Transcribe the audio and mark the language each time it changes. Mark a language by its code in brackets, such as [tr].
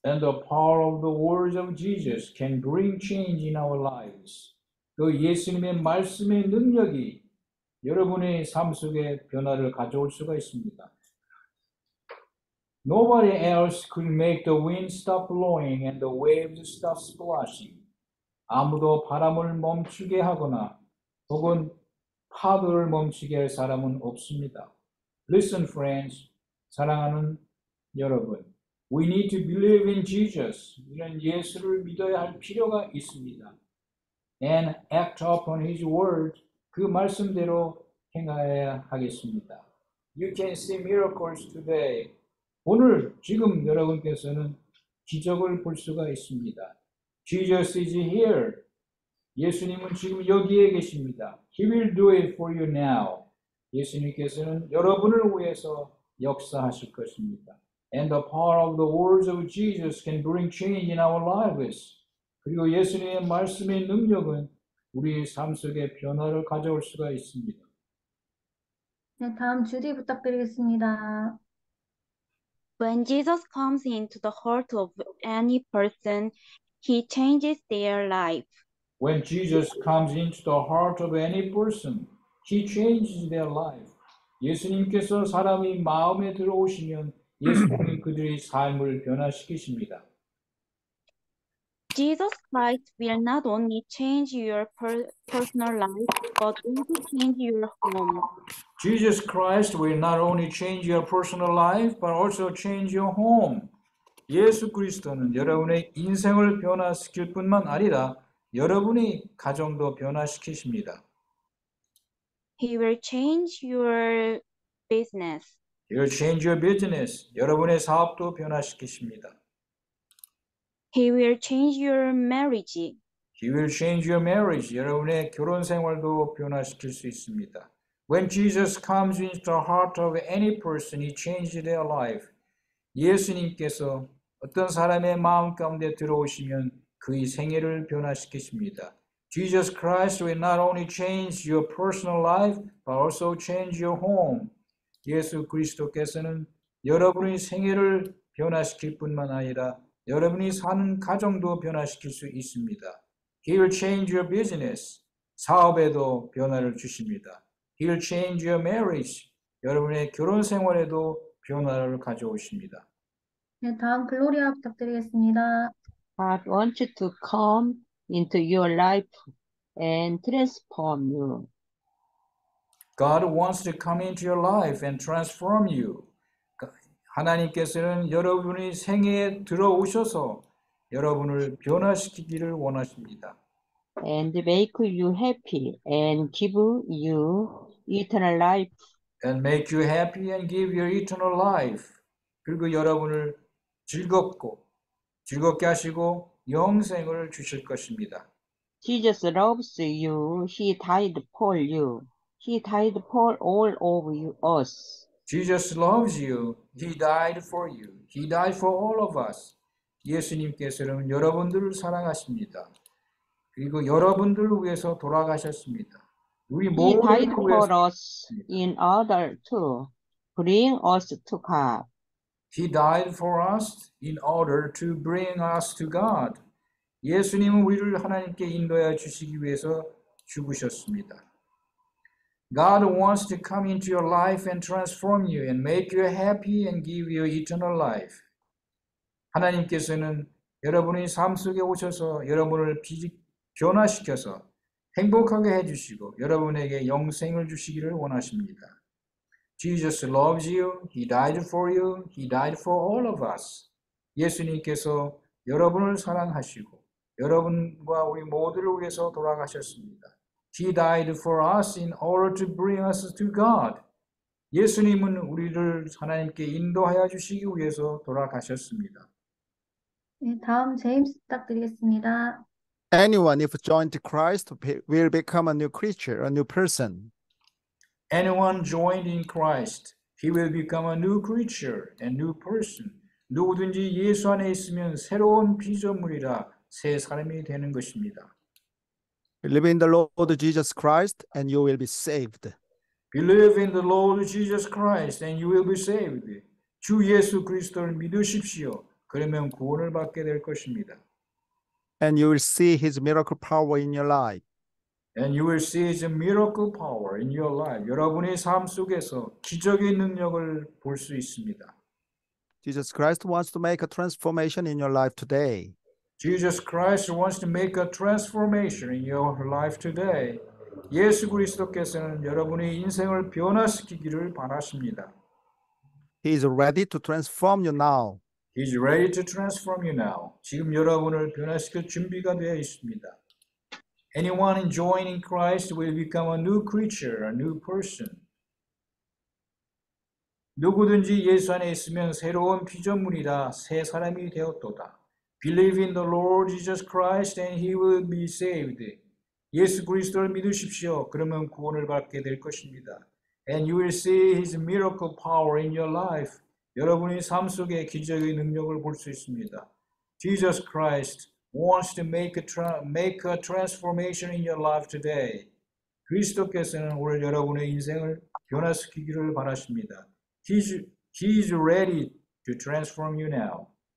[en] And the power of the words of Jesus can bring change in our lives. [ko] 그 예수님의 말씀의 능력이 여러분의 삶 속에 변화를 가져올 수가 있습니다. [en] Nobody else could make the wind stop blowing and the waves stop splashing. [ko] 아무도 바람을 멈추게 하거나 혹은 파도를 멈추게 할 사람은 없습니다. [en] Listen, friends. [ko] 사랑하는 여러분. [en] We need to believe in Jesus. [ko] 우리는 예수를 믿어야 할 필요가 있습니다. [en] And act upon his word. [ko] 그 말씀대로 행해야 하겠습니다. [en] You can see miracles today. [ko] 오늘 지금 여러분께서는 기적을 볼 수가 있습니다. [en] Jesus is here. [ko] 예수님은 지금 여기에 계십니다. [en] He will do it for you now. [ko] 예수님께서는 여러분을 위해서 역사하실 것입니다. [en] And the power of the words of Jesus can bring change in our lives. [ko] 그리고 예수님의 말씀의 능력은 우리의 삶 속에 변화를 가져올 수가 있습니다. 네, 다음 주디 부탁드리겠습니다. [en] When Jesus comes into the heart of any person, he changes their life. When Jesus comes into the heart of any person, he changes their life. [ko] 예수님께서 사람이 마음에 들어오시면 예수님이 그들의 삶을 변화시키십니다. [en] Jesus Christ will not only change your personal life, but also change your home. Jesus Christ will not only change your personal life, but also change your home. [ko] 예수 그리스도는 여러분의 인생을 변화시킬 뿐만 아니라 여러분의 가정도 변화시키십니다. [en] He will change your business. He will change your business. [ko] 여러분의 사업도 변화시키십니다. [en] He will change your marriage. He will change your marriage. [ko] 여러분의 결혼 생활도 변화시킬 수 있습니다. [en] When Jesus comes into the heart of any person, he changes their life. [ko] 예수님께서 어떤 사람의 마음 가운데 들어오시면 그의 생애를 변화시키십니다. [en] Jesus Christ will not only change your personal life, but also change your home. [ko] 예수 그리스도께서는 여러분의 생애를 변화시킬 뿐만 아니라 여러분이 사는 가정도 변화시킬 수 있습니다. [en] He will change your business. [ko] 사업에도 변화를 주십니다. [en] He will change your marriage. [ko] 여러분의 결혼 생활에도 변화를 가져오십니다. 네, 다음 글로리아 부탁드리겠습니다. [en] God wants you to come into your life and transform you. God wants to come into your life and transform you. [ko] 하나님께서는 여러분이 생애에 들어오셔서 여러분을 변화시키기를 원하십니다. [en] And make you happy and give you eternal life. And make you happy and give you eternal life. [ko] 그리고 여러분을 즐겁게 하시고 영생을 주실 것입니다. [en] Jesus loves you. He died for you. He died for all of us. Jesus loves you. He died for you. He died for all of us. [ko] 예수님께서는 여러분들을 사랑하십니다. 그리고 여러분들을 위해서 돌아가셨습니다. 우리 모두를 [en] He died for us in order to bring us to God. He died for us in order to bring us to God. [ko] 예수님은 우리를 하나님께 인도해 주시기 위해서 죽으셨습니다. [en] God wants to come into your life and transform you and make you happy and give you eternal life. [ko] 하나님께서는 여러분의 삶 속에 오셔서 여러분을 변화시켜서 행복하게 해주시고 여러분에게 영생을 주시기를 원하십니다. [en] Jesus loves you. He died for you. He died for all of us. [ko] 예수님께서 여러분을 사랑하시고 여러분과 우리 모두를 위해서 돌아가셨습니다. [en] He died for us in order to bring us to God. [ko] 예수님은 우리를 하나님께 인도하여 주시기 위해서 돌아가셨습니다. 네, 다음 제임스 부탁드리겠습니다. [en] Anyone if joined to Christ will become a new creature, a new person. Anyone joined in Christ, he will become a new creature, a new person. [ko] 누구든지 예수 안에 있으면 새로운 피조물이라 새 사람이 되는 것입니다. [en] Believe in the Lord Jesus Christ and you will be saved. Believe in the Lord Jesus Christ and you will be saved. [ko] 주 예수 그리스도를 믿으십시오. 그러면 구원을 받게 될 것입니다. [en] And you will see his miracle power in your life. And you will see his miracle power in your life. [ko] 여러분의 삶 속에서 기적의 능력을 볼 수 있습니다. [en] Jesus Christ wants to make a transformation in your life today. Jesus Christ wants to make a transformation in your life today. [ko] 예수 그리스도께서는 여러분의 인생을 변화시키기를 바라십니다. [en] He is ready to transform you now. He is ready to transform you now. [ko] 지금 여러분을 변화시킬 준비가 되어 있습니다. [en] Anyone enjoying in Christ will become a new creature, a new person. [ko] 누구든지 예수 안에 있으면 새로운 피조물이라 새 사람이 되었도다. [en] Believe in the Lord Jesus Christ and he will be saved. [ko] 예수 그리스도를 믿으십시오. 그러면 구원을 받게 될 것입니다. [en] And you will see his miracle power in your life. [ko] 여러분의 삶 속에 기적의 능력을 볼 수 있습니다. [en] Jesus Christ wants to make a transformation in your life today. [ko] 그리스도께서는 오늘 여러분의 인생을 변화시키기를 바라십니다. [en] He's ready to transform you now.